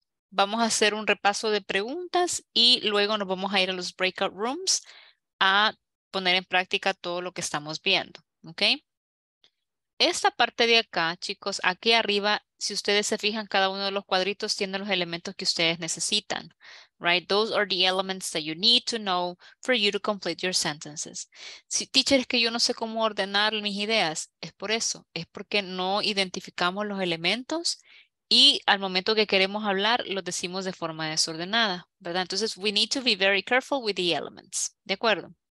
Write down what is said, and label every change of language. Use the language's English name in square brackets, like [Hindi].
[Spanish] Vamos a hacer un repaso de preguntas y luego nos vamos a ir a los breakout rooms a poner en práctica todo lo que estamos viendo, ¿ok? Esta parte de acá, chicos, aquí arriba, si ustedes se fijan, cada uno de los cuadritos tiene los elementos que ustedes necesitan, [English] right? Those are the elements that you need to know for you to complete your sentences. [Spanish] Si, teacher, es que yo no sé cómo ordenar mis ideas, es por eso, es porque no identificamos los elementos y al momento que queremos hablar, los decimos de forma desordenada, ¿verdad? Entonces, [English] we need to be very careful with the elements, [Spanish] ¿de acuerdo?